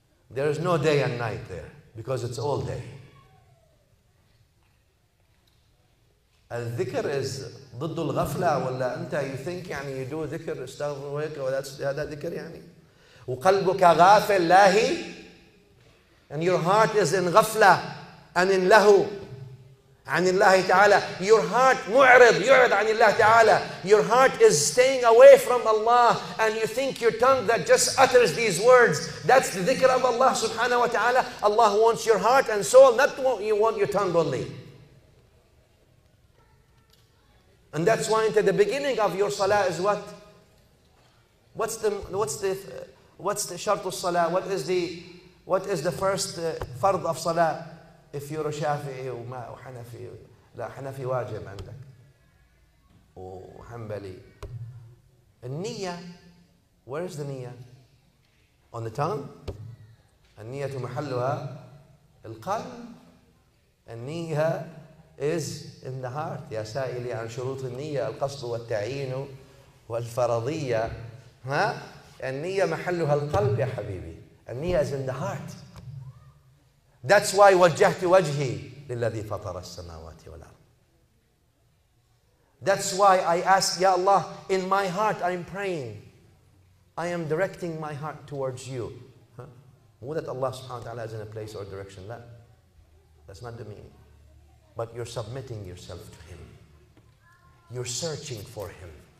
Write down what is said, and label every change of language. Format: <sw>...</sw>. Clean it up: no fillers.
<en>There is no day and night there, because it's all day. Al-dhikr is</en> <ar>ضد الغفلة ولا أنت,</ar> <en>you think يعني, you do dhikr, استغفر ويك, or that's هذا dhikr يعني.</en> <ar>وقلبك غافل لاهي,</ar> <en>and your heart is in</en> <ar>غفلة and in لهو عن الله تعالى.</ar> <en>Your heart</en> <ar>معرض, يعرض عن الله تعالى.</ar> <en>Your heart is staying away from Allah, and you think your tongue that just utters these words, that's the dhikr of Allah subhanahu wa ta'ala. Allah wants your heart and soul, not what you want your tongue only. And that's why into the beginning of your salah is what? What's the shart of salah? What is the first fard of salah? If you're a Shafi'i or Hanafi,</en> <ar>لا حنفي واجب عندك وحنبلي.</ar> <en>النية, where is the نية? On the tongue?</en> <ar>النية محلها القلب. النية</ar> <en>is in the heart.</en> <ar>يا سائلي عن شروط النية, القصد والتعيين والفرضية. ها؟ النية محلها القلب يا حبيبي. النية</ar> <en>is in the heart. That's why</en> <ar>وَجَّهْتُ وَجْهِي لِلَّذِي فَطَرَ السَّمَاوَاتِ وَالْأَرْضِ.</ar> <en>That's why I ask, Ya Allah, in my heart I'm praying. I am directing my heart towards you. Huh? That Allah subhanahu wa ta'ala is in a place or direction. That's not the meaning. But you're submitting yourself to Him. You're searching for Him.</en>